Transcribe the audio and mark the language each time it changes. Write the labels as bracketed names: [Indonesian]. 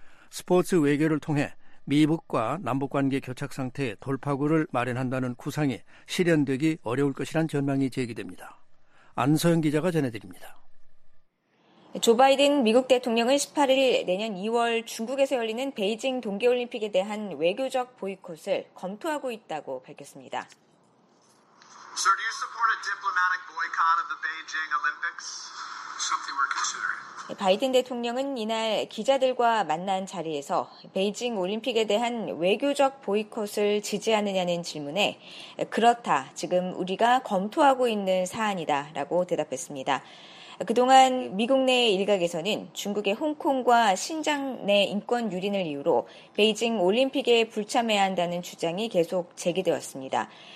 [Korean] 스포츠 외교를 통해 미북과 남북관계 교착 상태의 돌파구를 마련한다는 구상이 실현되기 어려울 것이란 전망이 제기됩니다. 안소영 기자가 전해드립니다. 조 바이든 미국 대통령은 18일 내년 2월 중국에서 열리는 베이징 동계올림픽에 대한 외교적 보이콧을 검토하고 있다고 밝혔습니다. [English] Sir, do you support a diplomatic boycott of the Beijing Olympics? Something we're considering. [Korean] 바이든 대통령은 이날 기자들과 만난 자리에서 베이징 올림픽에 대한 외교적 보이콧을 지지하느냐는 질문에 그렇다, 지금 우리가 검토하고 있는 사안이다 라고 대답했습니다. 그동안 미국 내 일각에서는 중국의 홍콩과 신장 내 인권 유린을 이유로 베이징 올림픽에 불참해야 한다는 주장이 계속 제기되었습니다.